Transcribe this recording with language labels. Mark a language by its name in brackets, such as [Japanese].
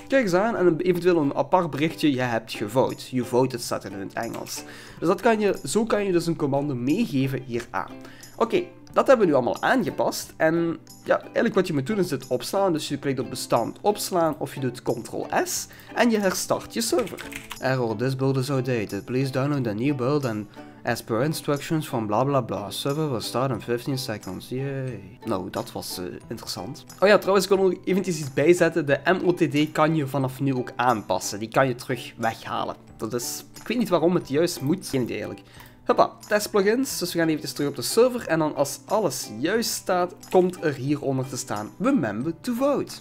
[Dutch] Kijk eens aan, en eventueel een apart berichtje, je hebt gevote. You voted staat in het Engels. Dus dat kan je, zo kan je dus een commando meegeven hieraan. Oké. Dat hebben we nu allemaal aangepast. En ja, eigenlijk wat je moet doen is dit opslaan. Dus je klikt op bestand opslaan of je doet Ctrl-S en je herstart je server. [English] Error, this build is outdated. Please download a new build and as per instructions from bla bla bla. Server will start in 15 seconds. Yay. Nou, dat was interessant. [Dutch] Oh ja, trouwens, ik wil nog eventjes iets bijzetten. De MOTD kan je vanaf nu ook aanpassen. Die kan je terug weghalen. Dat is, ik weet niet waarom het juist moet. Geen idee eigenlijk. Hoppa, test plugins. Dus we gaan even terug op de server. En dan als alles juist staat, komt er hieronder te staan Remember to vote.